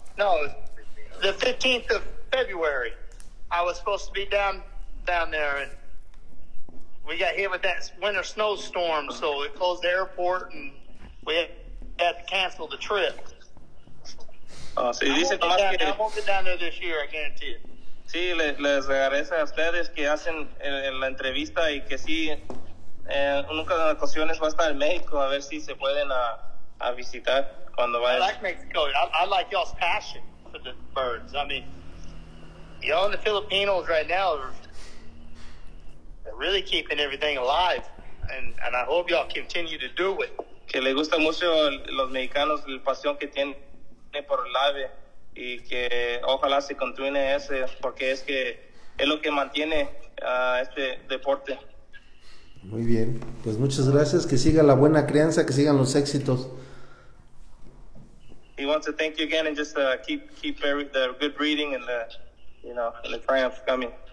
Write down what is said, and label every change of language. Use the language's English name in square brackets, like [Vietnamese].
[English] No, it was the 15th of February. I was supposed to be down there, and we got hit with that winter snowstorm, so it closed the airport, and we had to cancel the trip. I won't get down there this year, I guarantee it. [Spanish] Sí, les agradezco a ustedes que hacen la entrevista, y que sí, nunca en ocasiones va a estar en México, a ver si se pueden a visitar cuando vayan. [English] I like Mexico. I like y'all's passion for the birds. I mean, y'all in the Filipinos right now are really keeping everything alive, and I hope y'all continue to do it. [Spanish] Que le gusta mucho los mexicanos, la pasión que tienen por el ave, y que ojalá se continúe ese, porque es que es lo que mantiene a este deporte. Muy bien, pues muchas gracias, que siga la buena crianza, que sigan los éxitos. [English] He wants to thank you again, and just keep the good breeding and the triumph coming.